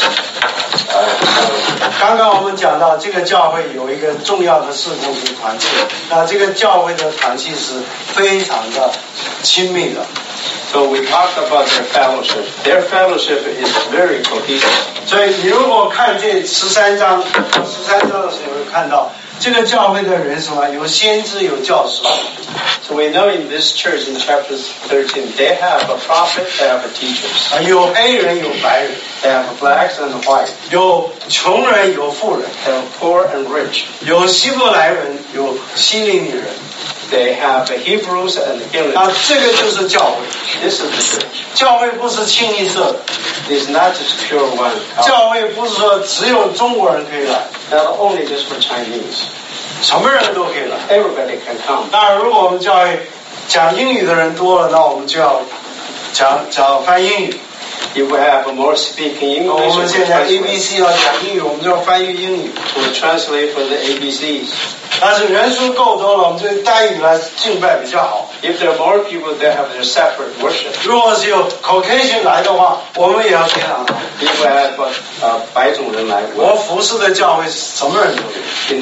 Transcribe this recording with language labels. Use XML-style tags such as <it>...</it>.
<en>So we talked about their fellowship. Their fellowship is very cohesive.</en> <zh>所以你如果看这十三章，十三章的时候看到。这个教会的人什么？有先知，有教师。</zh> <en>So we know in this church in chapter 13, they have a prophet, they have a teacher.</en> <zh>有黑人，有白人。</zh> <en>They have blacks and whites.</en> <zh>有穷人，有富人。</zh> <en>They have poor and rich.</en> <zh>有希伯来人，有希利尼人。</zh> <en>They have Hebrews and English.</en> <zh>啊，这个就是教会。</zh> <en>This is the church.</en> <zh>教会不是清一色的。</zh> <en>It's not just pure one.</en> <zh>教会不是说只有中国人可以来。</zh> <en>Not only just for Chinese.</en> <zh>什么人都可以来。</zh> <en>Everybody can come.</en> <zh>那如果我们教会讲英语的人多了，那我们就要讲翻译英语。</zh> <en>If we have more speaking English,</en> <zh>我们现在 ABC 要讲英语，我们就要翻译英语。</zh> <en>We translate from the ABCs.</en> <zh>但是人数够多了，我们就单语来敬拜比较好。If</zh> <en>there are more people, they have their separate worship.</en> <zh>如果是有 Caucasian 来的话，我们也要非常好。If</zh> <en>we have</en> <zh>白种人来，我服侍的教会什么人都有。In</zh>